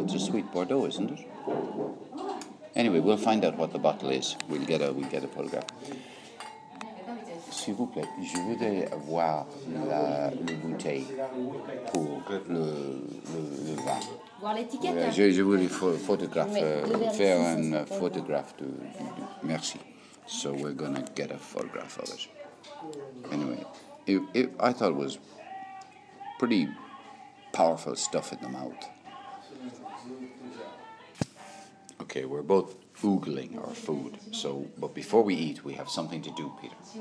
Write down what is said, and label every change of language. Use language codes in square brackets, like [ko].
[en] It's a sweet Bordeaux, isn't it? Anyway, we'll find out what the bottle is. We'll get a photograph. [fr] S'il vous plaît, je voudrais voir la bouteille pour le vin. Voir l'étiquette. Je voulais faire un photographe de. Merci. [en] So we're gonna get a photograph of it. Anyway, it I thought it was pretty powerful stuff in the mouth. Okay, we're both oogling our food. So, but before we eat, we have something to do, Peter.